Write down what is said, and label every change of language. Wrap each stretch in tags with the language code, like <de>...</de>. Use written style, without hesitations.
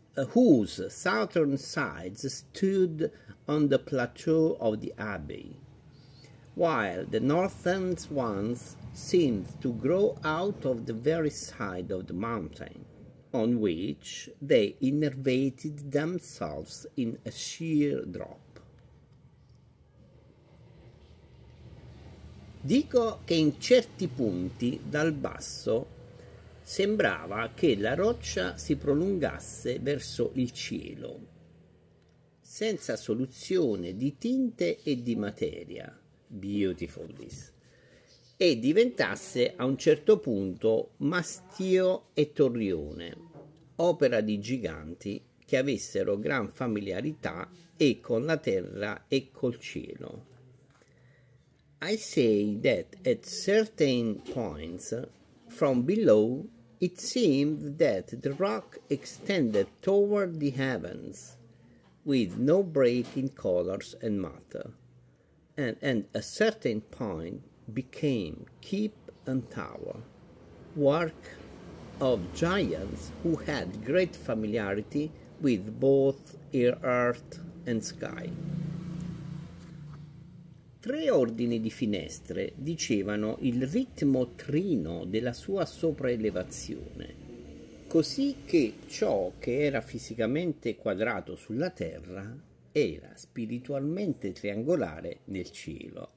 <en>whose southern sides stood on the plateau of the abbey, while the northern ones seemed to grow out of the very side of the mountain, on which they innervated themselves in a sheer drop.</en> <it>Dico che in certi punti, dal basso, sembrava che la roccia si prolungasse verso il cielo, senza soluzione di tinte e di materia.</it> <en>Beautiful this.</en> <it>E diventasse a un certo punto mastio e torrione, opera di giganti che avessero gran familiarità e con la terra e col cielo.</it> <en>I say that at certain points from below it seemed that the rock extended toward the heavens, with no break in colors and matter, and at a certain point became keep and tower, work of giants who had great familiarity with both earth and sky.</en> <it>Tre ordini di finestre dicevano il ritmo trino della sua sopraelevazione, così che ciò che era fisicamente quadrato sulla terra era spiritualmente triangolare nel cielo.</it>